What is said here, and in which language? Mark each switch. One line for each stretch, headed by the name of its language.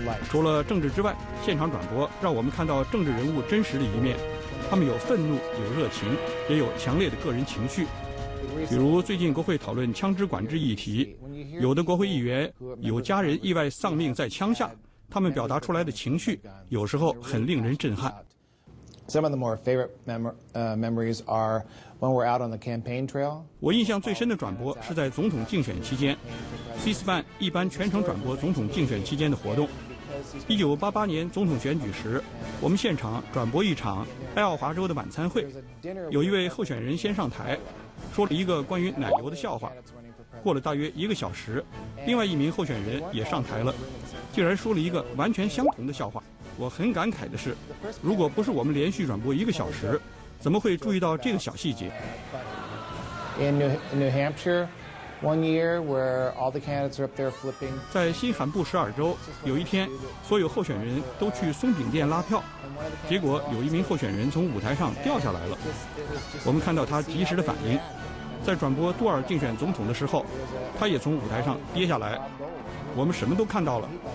Chinese: 除了政治之外，现场转播让我们看到政治人物真实的一面，他们有愤怒，有热情，也有强烈的个人情绪。比如最近国会讨论枪支管制议题，有的国会议员有家人意外丧命在枪下，他们表达出来的情绪有时候很令人震撼。
English: Some of the more favorite memories are when we're out on the campaign trail.
Chinese: 我印象最深的转播是在总统竞选期间。C-SPAN 一般全程转播总统竞选期间的活动。 1988年总统选举时，我们现场转播一场爱奥华州的晚餐会，有一位候选人先上台，说了一个关于奶油的笑话。过了大约一个小时，另外一名候选人也上台了，竟然说了一个完全相同的笑话。我很感慨的是，如果不是我们连续转播一个小时，怎么会注意到这个小细节？
English: In New Hampshire, one year where all the candidates are up there flipping.
Chinese: 在新罕布什尔州，有一天，所有候选人都去松饼店拉票，结果有一名候选人从舞台上掉下来了。我们看到他及时的反应。在转播杜尔竞选总统的时候，他也从舞台上跌下来，我们什么都看到了。